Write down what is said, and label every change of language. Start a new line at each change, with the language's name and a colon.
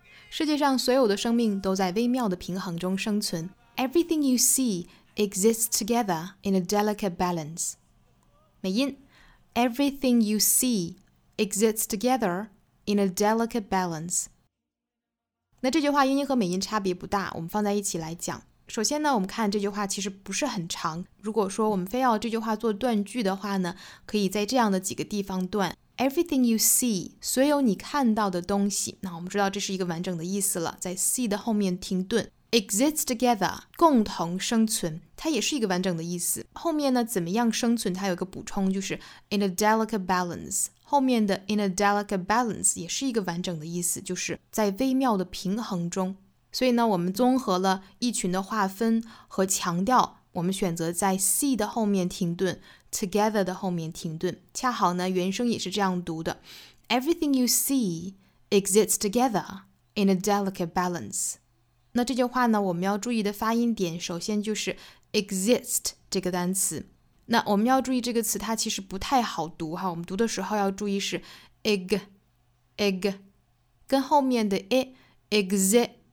Chinese: 世界上所有的生命都在微妙的平衡中生存。
English: Everything you see,exists together in a delicate balance.
Chinese: 美音
English: Everything you see exists together in a delicate balance.
Chinese: 那这句话英音和美音差别不大，我们放在一起来讲。首先呢，我们看这句话其实不是很长。如果说我们非要这句话做断句的话呢，可以在这样的几个地方断。
English: Everything you see,
Chinese: 所有你看到的东西，那我们知道这是一个完整的意思了，在 see 的后面停顿。
English: Exist together,
Chinese: 共同生存，它也是一个完整的意思。后面呢，怎么样生存，它有一个补充，就是
English: in a delicate balance。
Chinese: 后面的
English: in a delicate balance
Chinese: 也是一个完整的意思，就是在微妙的平衡中。所以呢，我们综合了一群的划分和强调，我们选择在 see 的后面停顿， together 的后面停顿。恰好呢，原声也是这样读的。
English: Everything you see exists together in a delicate balance.
Chinese: 那这句话呢，我们要注意的发音点，首先就是 exist 这个单词。那我们要注意这个词，它其实不太好读哈。我们读的时候要注意是 eg， 跟后面的
English: e exist。